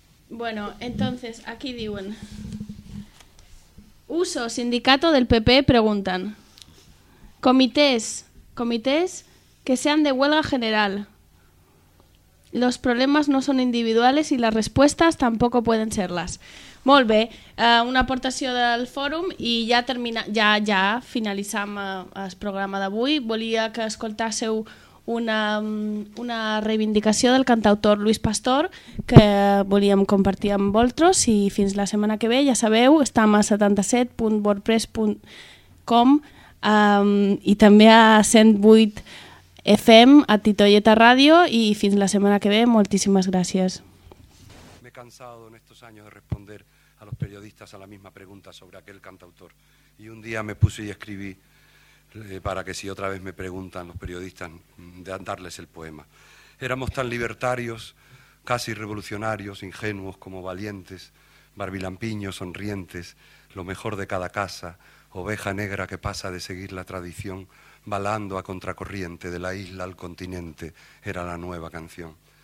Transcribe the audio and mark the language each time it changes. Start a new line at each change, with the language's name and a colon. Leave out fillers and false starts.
Spanish: Bueno, entonces,
Catalan: aquí diuen.
Spanish: Uso, sindicato del PP, preguntan. Comités... que sean de huelga general. Los problemas no son individuales y las respuestas tampoco pueden serlas.
Catalan: Molt bé, una aportació del fòrum i ja finalitzam el programa d'avui. Volia que escoltàsseu una reivindicació del cantautor Luis Pastor que volíem compartir amb vosaltres i fins la setmana que ve, ja sabeu, estem a 77.wordpress.com i també a 108 FM, a Titoyeta Radio
Spanish: y fin de la semana que ve, muchísimas gracias. Me he cansado en estos años de responder a los periodistas a la misma pregunta sobre aquel cantautor y un día me puse y escribí para que si otra vez me preguntan los periodistas de darles el poema. Éramos tan libertarios, casi revolucionarios, ingenuos como valientes, barbilampiños, sonrientes, lo mejor de cada casa, oveja negra que pasa de seguir la tradición, balando a contracorriente de la isla al continente, era la nueva canción.